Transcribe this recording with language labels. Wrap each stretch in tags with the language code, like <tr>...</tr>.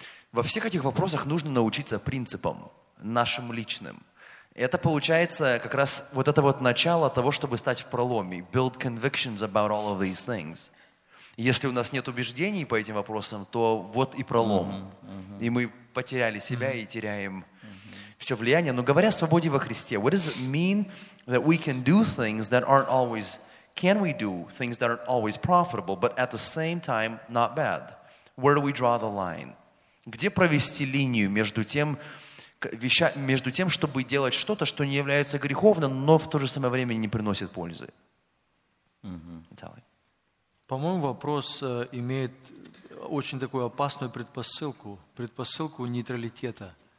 <ru>Во всех этих вопросах нужно научиться принципам нашим личным. Это получается как раз вот это вот начало того, чтобы стать в проломе.</ru> <en>Build convictions about all of these things.</en> <ru>Если у нас нет убеждений по этим вопросам, то вот и пролом. И мы потеряли себя и теряем все влияние. Но говоря о свободе во Христе,</ru> <en>what does it mean that we can do things that aren't always, can we do things that aren't always profitable, but at the same time not bad? Where do we draw the line?</en> <ru>Где провести линию между тем, чтобы делать что-то, что не является греховным, но в то же самое время не приносит пользы? По-моему, вопрос имеет очень такую опасную предпосылку нейтралитета.</ru>